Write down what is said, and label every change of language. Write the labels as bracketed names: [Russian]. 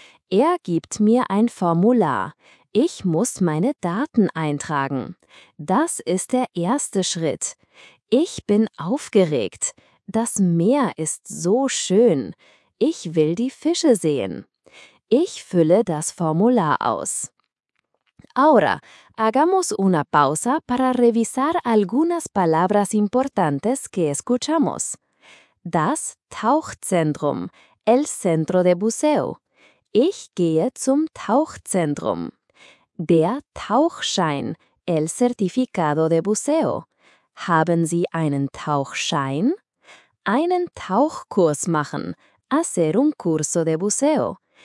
[German] Er gibt mir ein Formular. Ich muss meine Daten eintragen. Das ist der erste Schritt. Ich bin aufgeregt. Das Meer ist so schön. Ich will die Fische sehen. Ich fülle das Formular aus. [Spanish] Ahora, hagamos una pausa para revisar algunas palabras importantes que escuchamos. [German] Das Tauchzentrum, [Spanish] el centro de buceo. [German] Ich gehe zum Tauchzentrum. Der Tauchschein, [Spanish] el certificado de buceo. [German] Haben Sie einen Tauchschein? Einen Tauchkurs machen, [Spanish] hacer un curso de buceo.